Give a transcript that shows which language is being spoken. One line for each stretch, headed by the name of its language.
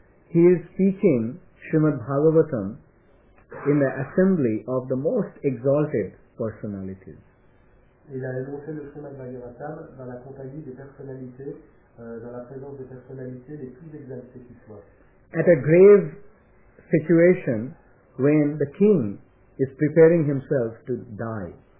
English: He is speaking Srimad Bhagavatam in the assembly of the most exalted personalities.
French: Il a énoncé le Srimad Bhagavatam dans la compagnie des personnalités, dans la présence des personnalités les plus exaltées qui soient.
English: At a grave situation when the king is preparing himself to die.